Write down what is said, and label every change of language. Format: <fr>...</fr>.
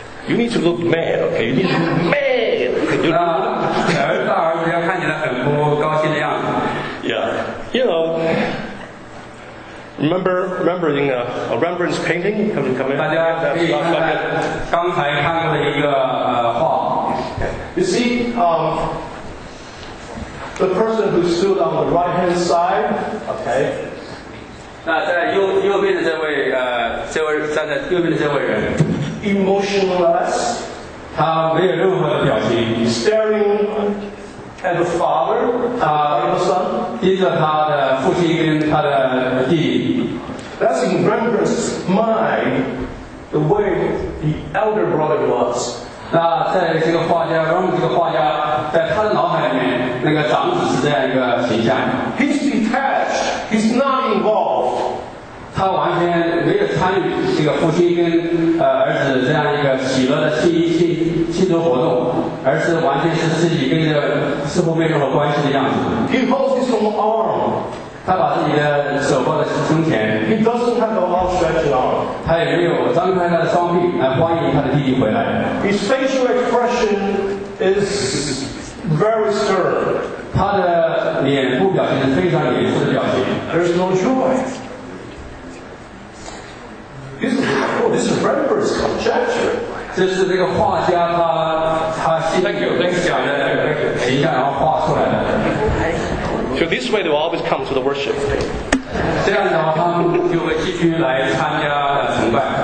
<en>You need to look mad, okay? You need to look mad.</en> <zh>那儿大儿子要看起来很不高兴的样子。</zh> <en>Yeah, you know. Remember in a Rembrandt's painting? Come in.</en> <zh>大家可以看看刚才看过的一个画。</zh> <en>You see, the person who stood on the right hand side. Okay.</en> <zh>那在右边的这位站在右边的这位人</zh> <en>，emotionless，</en> <zh>他没有任何的表情</zh> <en>，staring at the father，</en> <zh>他盯着他的父亲跟他的弟弟。</zh> <en>That's in Rembrandt's mind the way the elder brother was.</en> <zh>那在这个画家 Rembrandt 这个画家在他的脑海里面，那个长子是这样一个形象。</zh> <en>He's detached. He's not involved.</en> <zh>他完全没有参与这个父亲跟儿子这样一个喜乐的庆祝活动，而是完全是自己跟着似乎没有任何关系的样子。</zh> <en>He holds his own arm.</en> <zh>他把自己的手握在胸前。</zh> <en>He doesn't have an outstretched arm.</en> <zh>他也没有张开他的双臂来欢迎他的弟弟回来。</zh> <en>His facial expression is very stern.</en> <zh>他的脸部表情是非常严肃的表情。</zh> <en>There's no joy. This is Rembrandt's conjecture.</en> <zh>这是那个画家他心里有灯想的形象，然后画出来的。</zh> <en>So this way they will always come to the worship.</en> <zh>这样的话他们就会继续来参加崇拜。</zh>